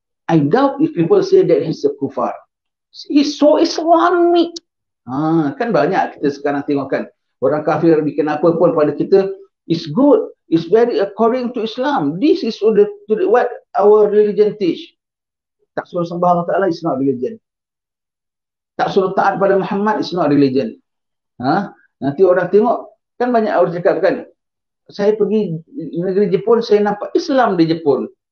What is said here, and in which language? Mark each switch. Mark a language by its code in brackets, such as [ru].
[en] I doubt if people say that he's a kufar. He's so Islamic. [ms] Ha, kan banyak kita sekarang tengokkan. Orang kafir bikin apa pun pada kita, [en] it's good. It's very according to Islam. This is what our religion teach. [ms] Tak suruh sembah Allah Ta'ala, [en] it's not religion. [ms] Tak suruh taat pada Muhammad, [en] it's not religion. [ms] Ha? Nanti orang tengok, kan banyak orang cakap kan, saya pergi negeri Jepun, saya nampak Islam di Jepun.